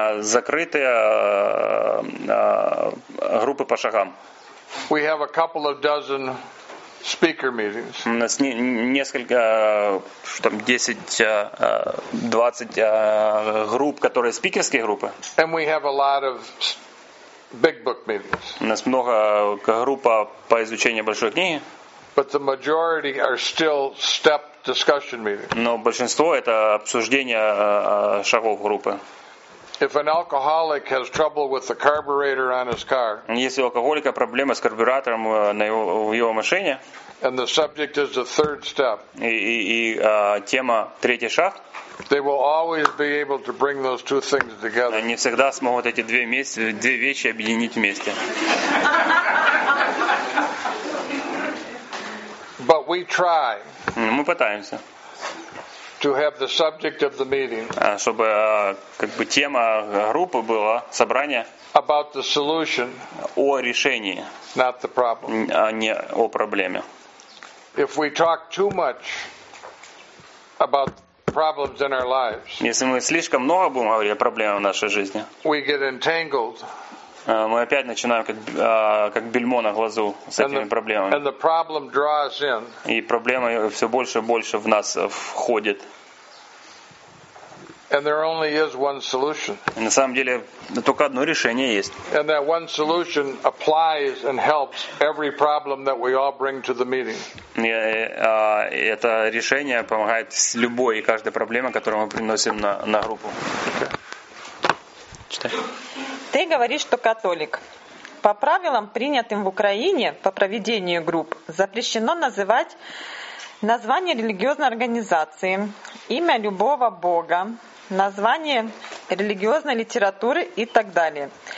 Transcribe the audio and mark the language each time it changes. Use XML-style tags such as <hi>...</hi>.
<ru>Закрытые группы по шагам.</ru> <en>We have a couple of dozen speaker meetings.</en> <ru>У нас несколько, там 10-20 групп, которые спикерские группы.</ru> <en>And we have a lot of big book meetings.</en> <ru>У нас много группа по изучению большой книги.</ru> <en>But the majority are still step discussion meetings.</en> <ru>Но большинство это обсуждение шагов группы.</ru> <en>If an alcoholic has trouble with the carburetor on his car.</en> <ru>Если у алкоголика проблема с карбюратором на его машине.</ru> <en>And the subject is the third step.</en> <ru>И тема третий шаг.</ru> <en>They will always be able to bring those two things together.</en> <ru>Они всегда смогут эти две вещи объединить вместе.</ru> <en>But we try.</en> <ru>Мы пытаемся.</ru> <en>To have the subject of the meeting.</en> <ru>Чтобы как бы тема группы была собрание.</ru> <en>About the solution.</en> <ru>О решении.</ru> <en>Not the problem.</en> <ru>А не о проблеме.</ru> <en>If we talk too much about problems in our lives.</en> <ru>Если мы слишком много будем говорить о проблемах в нашей жизни.</ru> <en>We get entangled.</en> <ru>Мы опять начинаем как бельмо на глазу с этими проблемами.</ru> <en>And the problem draws in.</en> <ru>И проблема все больше и больше в нас входит.</ru> <en>And there only is one solution.</en> <ru>И на самом деле только одно решение есть.</ru> <en>And that one solution applies and helps every problem that we all bring to the meeting.</en> <ru>Это решение помогает с любой и каждой проблемой, которую мы приносим на группу. Читай. Ты говоришь, что католик. По правилам, принятым в Украине по проведению групп, запрещено называть название религиозной организации, имя любого бога, название религиозной литературы и так далее.</ru>